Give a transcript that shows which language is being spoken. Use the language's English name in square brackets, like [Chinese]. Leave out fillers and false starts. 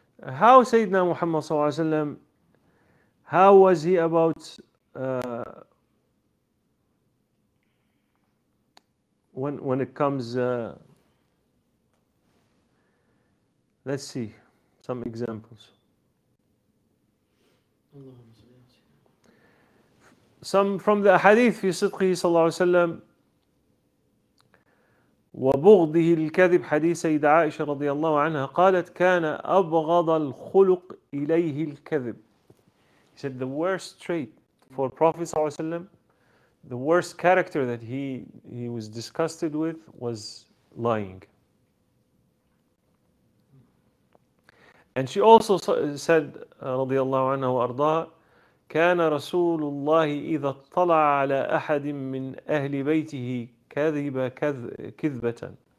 [English] How Sayyidina Muhammad صلى الله عليه وسلم, how was he about when it comes, let's see some examples. [Arabic] Some from the hadith في صدقه صلى الله عليه وسلم وبغضه الكذب, حديث سيدة عائشة رضي الله عنها قالت كان أبغض الخلق إليه الكذب. [English] He said the worst trait for Prophet [Arabic] صلى الله عليه وسلم [English] the worst character that he was disgusted with was lying. And she also said, [Arabic] رضي الله عنه وأرضاه, كان رسول الله إذا اطلع على أحد من أهل بيته كذبا كذبة.